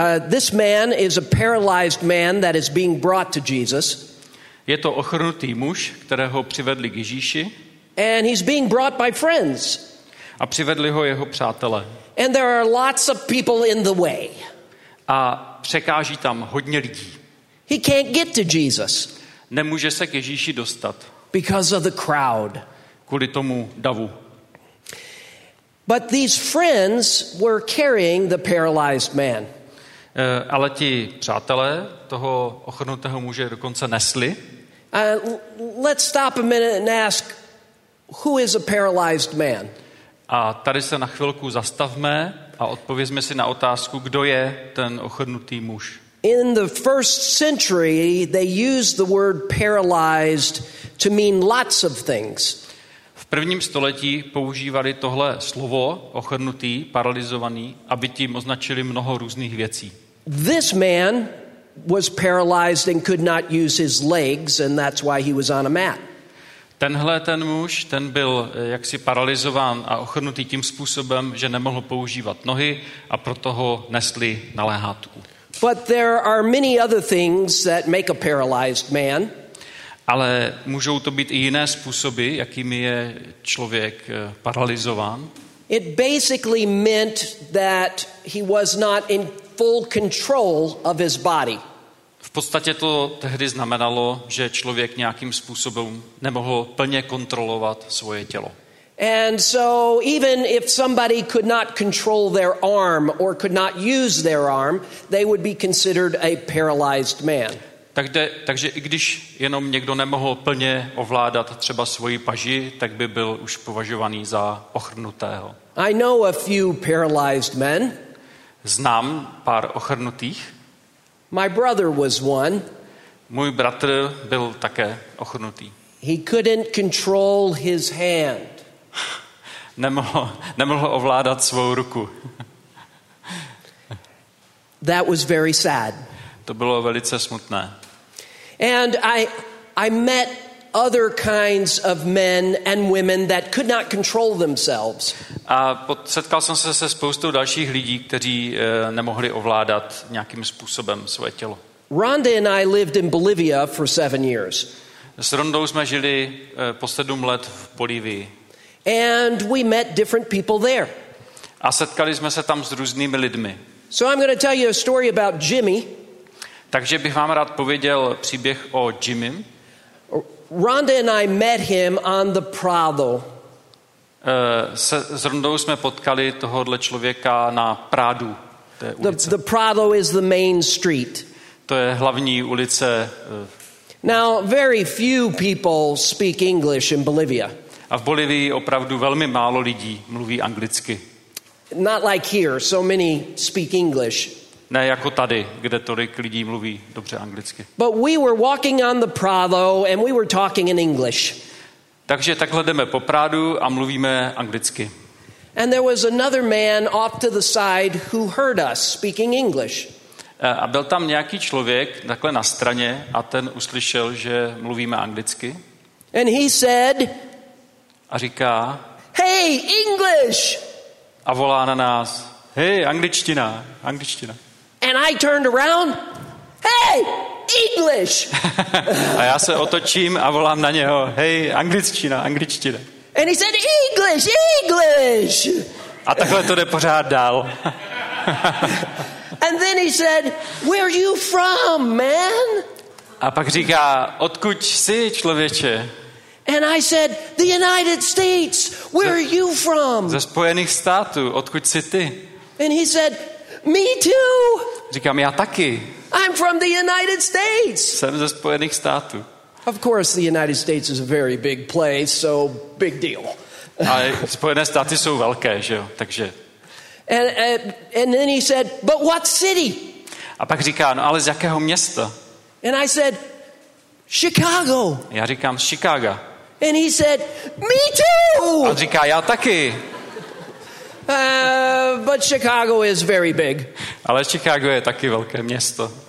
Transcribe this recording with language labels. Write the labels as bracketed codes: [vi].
[en] This man is a paralyzed man that is being brought to Jesus. [cs] Je to ochrnutý muž, kterého přivedli k Ježíši. [en] And he's being brought by friends. [cs] A přivedli ho jeho přátelé. [en] And there are lots of people in the way. [cs] A překáží tam hodně lidí. [en] He can't get to Jesus. [cs] Nemůže se k Ježíši dostat. [en] Because of the crowd. [cs] Kvůli tomu davu. [en] But these friends were carrying the paralyzed man. [cs] Ale ti přátelé toho ochrnutého muže dokonce nesli. [en] Let's stop a minute and ask, who is a paralyzed man? [cs] A tady se na chvilku zastavme a odpovězme si na otázku, kdo je ten ochrnutý muž. [en] In the first century, they used the word paralyzed to mean lots of things. [cs] V prvním století používali tohle slovo ochrnutý, paralyzovaný, aby tím označili mnoho různých věcí. [en] This man was paralyzed and could not use his legs, and that's why he was on a mat. [cs] Tenhle ten muž, ten byl jaksi paralyzován a ochrnutý tím způsobem, že nemohl používat nohy a proto ho nesli na lehátku. [en] But there are many other things that make a paralyzed man. [cs] Ale můžou to být i jiné způsoby, jakými je člověk paralyzován. [en] It basically meant that he was not in full control of his body. [cs] V podstatě to tehdy znamenalo, že člověk nějakým způsobem nemohl plně kontrolovat svoje tělo. [en] And so even if somebody could not control their arm or could not use their arm, they would be considered a paralyzed man. [cs] Takže i když jenom někdo nemohl plně ovládat třeba svoji paži, tak by byl už považovaný za ochrnutého. [en] I know a few paralyzed men. [cs] Znám pár ochrnutých. [en] My brother was one. [cs] Můj bratr byl také ochrnutý. [en] He couldn't control his hand. [cs] Nemohl ovládat svou ruku. [en] That was very sad. [cs] To bylo velice smutné. [en] And I met other kinds of men and women that could not control themselves. [cs] A setkal jsem se se spoustou dalších lidí, kteří nemohli ovládat nějakým způsobem své tělo. [en] Rhonda and I lived in Bolivia for 7 years. [cs] S Rhondou jsme žili po 7 let v Bolívii. [en] And we met different people there. [cs] A setkali jsme se tam s různými lidmi. [en] So I'm going to tell you a story about Jimmy. [cs] Takže bych vám rád pověděl příběh o Jimmy. [en] Rhonda and I met him on the Prado. [cs] S Rhondou jsme potkali tohohle člověka na Prádu. [en] The Prado is the main street. [cs] To je hlavní ulice. [en] Now, very few people speak English in Bolivia. [cs] A v Bolivii opravdu velmi málo lidí mluví anglicky. [en] Not like here, so many speak English. [cs] Ne jako tady, kde tolik lidí mluví dobře anglicky. [en] But we were walking on the Prado and we were talking in English. [cs] Takže takhle jdeme po Prádu a mluvíme anglicky. [en] And there was another man off to the side who heard us speaking English. [cs] A byl tam nějaký člověk takhle na straně a ten uslyšel, že mluvíme anglicky. [en] And he said, [cs] a říká, [en] hey, English! [cs] A volá na nás, hey, angličtina, angličtina. [en] And I turned around. Hey, English. [cs] A já se otočím a volám na něho. Hey, angličtina, angličtina. [en] And he said English, English. [cs] A takhle to jde pořád dál. [en] And then he said, "Where are you from, man?" [cs] A pak říká, "Odkud jsi, člověče?" [en] And I said, "The United States. Where are you from?" [cs] Ze Spojených států. Odkud jsi ty? [en] And he said, "Me too." [cs] Říkám, já taky. I'm from the United States. Jsem ze Spojených států. [en] Of course, the United States is a very big place, so big deal. [cs] A Spojené státy jsou velké, že jo? Takže. [en] And then he said, "But what city?" [cs] A pak říká, no, ale z jakého města? [en] And I said, "Chicago." [cs] Já říkám, z Chicaga. [en] And he said, "Me too." [cs] A říká, já taky. [en] But Chicago is very big. [cs] Ale Chicago je taky velké město.